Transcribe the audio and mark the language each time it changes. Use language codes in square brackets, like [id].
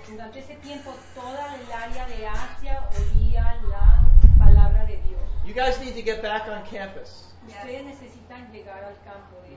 [es] Durante ese tiempo, toda el área de Asia oía la palabra de Dios. [en] You guys need to get back on campus. [es] Ustedes necesitan llegar al campo.